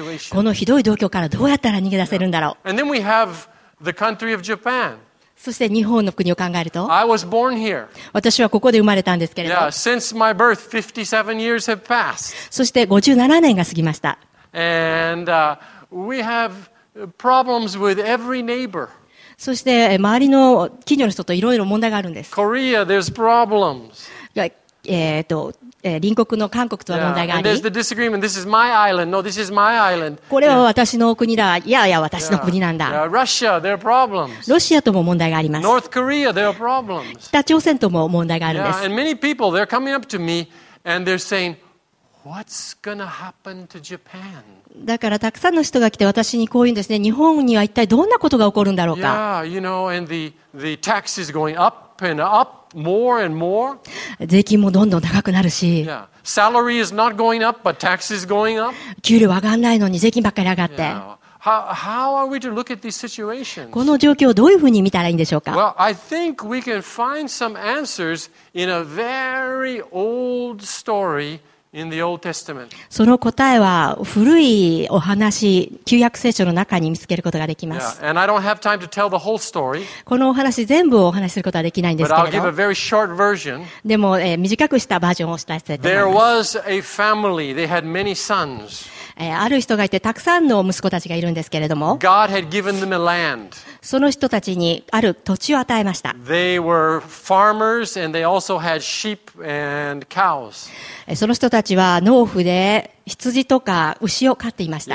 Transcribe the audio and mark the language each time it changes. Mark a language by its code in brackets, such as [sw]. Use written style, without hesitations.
[ja] このひどい状況からどうやったら逃げ出せるんだろう。 Yeah. [en] And then we have the country of Japan. [ja] そして日本の国を考えると [en] I was born here. [ja] 私はここで生まれたんですけれど [en] yeah, since my birth, 57 years have passed. [ja] そして57年が過ぎました。 [en] And, we have problems with every neighbor. [ja] そして周りの近所の人といろいろ問題があるんです。 [en] Korea, there's problems. [ja] 隣国の韓国とは問題があり、 yeah. [en] and there's the disagreement. This is my island. No, this is my island. [ja] これは私の国だ。いやいや、私の国なんだ。 [en] Russia, there are problems. [ja] ロシアとも問題があります。 [en] North Korea, there are problems. [ja] 北朝鮮とも問題があるんです。 [en] And many people, they're coming up to me and they're saying, "What's going to happen to Japan?" [ja] だからたくさんの人が来て私にこう言うんですね。日本には一体どんなことが起こるんだろうか。 [en] Yeah, you know, and the tax is going up and up. More and more. [ja] 税金もどんどん高くなるし、 yeah. [en] Salary is not going up, but tax is going up. [ja] 給料上がらないのに税金ばっかり上がって、 yeah. [en] how are we to look at these situations? [ja] この状況をどういうふうに見たらいいんでしょうか [en] Well, I think we can find some answers in a very old story in the Old Testament. [ja] その答えは古いお話、旧約聖書の中に見つけることができます。 [en] Yeah, and I don't have time to tell the whole story. [ja] このお話全部をお話することはできないんですけれど。 [en] But I'll give a very short version. [ja] でも、短くしたバージョンをお伝えしたいと思います。 [en] There was a family. They had many sons. [ja] ある人がいて、たくさんの息子たちがいるんですけれども、 [en] God had given them a land. [ja] その人たちにある土地を与えました。 [en] They were farmers and they also had sheep and cows. [ja] その人たちは農夫で羊とか牛を飼っていました。